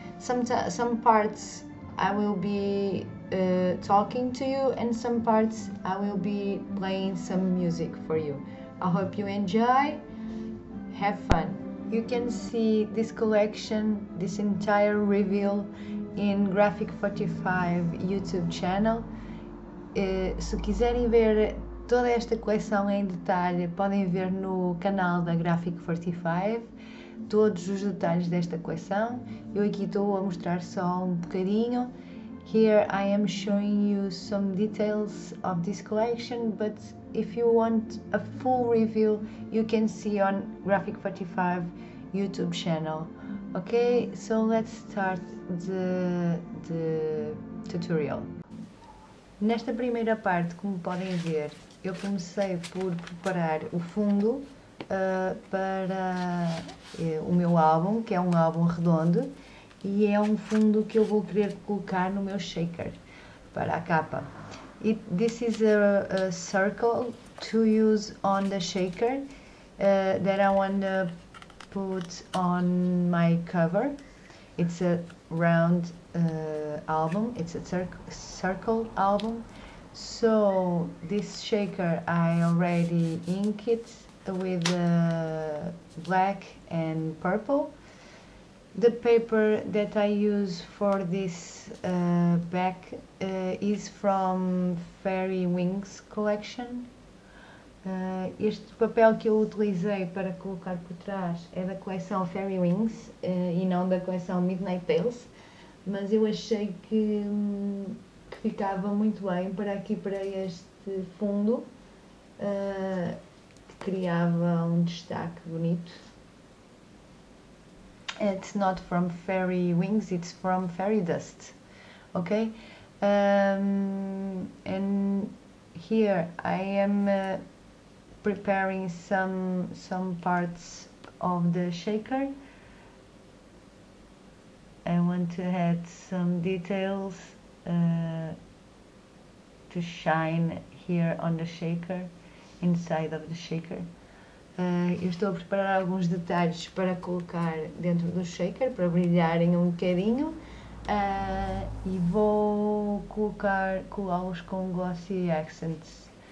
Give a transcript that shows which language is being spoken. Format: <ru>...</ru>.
<en>Some parts I will be talking to you and some parts I will be playing some music for you. I hope you enjoy. Have fun. You can see this collection, this entire reveal in Graphic 45 YouTube channel.</en> <pt>Se quiserem ver toda esta coleção em detalhe, podem ver no canal da Graphic 45 todos os detalhes desta coleção. Eu aqui estou a mostrar só um bocadinho.</pt> <en>Here I am showing you some details of this collection, but if you want a full review, you can see on Graphic 45 YouTube channel. Okay, so let's start the tutorial.</en> <pt>Nesta primeira parte, como podem ver, eu comecei por preparar o fundo para o meu álbum, que é um álbum redondo, e é um fundo que eu vou querer colocar no meu shaker para a capa.</pt> <en>This is a circle to use on the shaker that I wanna put on my cover. It's a round album, it's a circle album. So this shaker I already ink it with black and purple. The paper that I use for this back is from Fairy Wings Collection.</en> <pt>Este papel que eu utilizei para colocar por trás é da coleção Fairy Wings e não da coleção Midnight Tales, mas eu achei que ficava muito bem para aqui, para este fundo, que criava um destaque bonito.</pt> <en>It's not from Fairy Wings, it's from Fairy Dust. Okay? And here I am preparing some parts of the shaker. I want to add some details to shine here on the shaker, inside of the shaker.</en> <pt>Eu estou a preparar alguns detalhes para colocar dentro do shaker para brilharem um bocadinho. E vou colá-los com glossy accents.</pt>